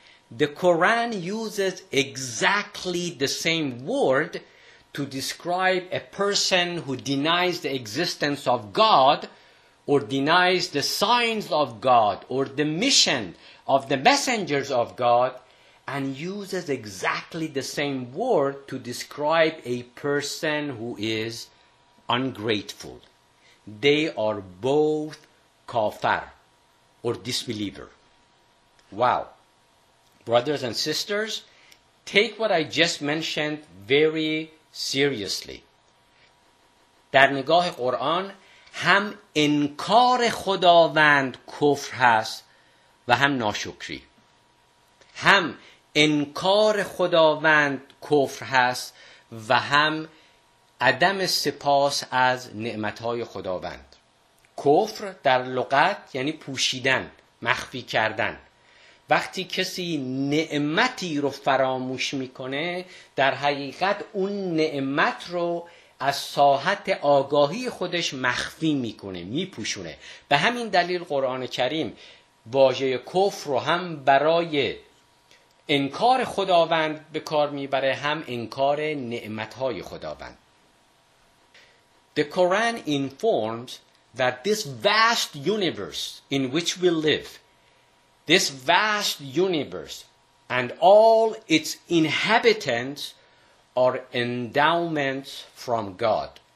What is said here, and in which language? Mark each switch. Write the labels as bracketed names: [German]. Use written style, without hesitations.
[English] The Quran uses exactly the same word to describe a person who denies the existence of God or denies the signs of God or the mission of the messengers of God, and uses exactly the same word to describe a person who is ungrateful. They are both kafir or disbeliever. Wow. Brothers and sisters, take what I just mentioned very seriously. [Persian] در نگاه قرآن هم انکار خداوند کفر هست و هم ناشکری. هم انکار خداوند کفر هست و هم عدم سپاس از نعمتهای خداوند. کفر در لغت یعنی پوشیدن، مخفی کردن. وقتی کسی نعمتی رو فراموش میکنه، در حقیقت اون نعمت رو از ساحت آگاهی خودش مخفی میکنه، میپوشونه. به همین دلیل قرآن کریم واژه کفر رو هم برای انکار خداوند به کار میبره، هم انکار نعمتهای خداوند. [English] The Quran informs that this vast universe in which we live, this vast universe and all its inhabitants are endowments from God.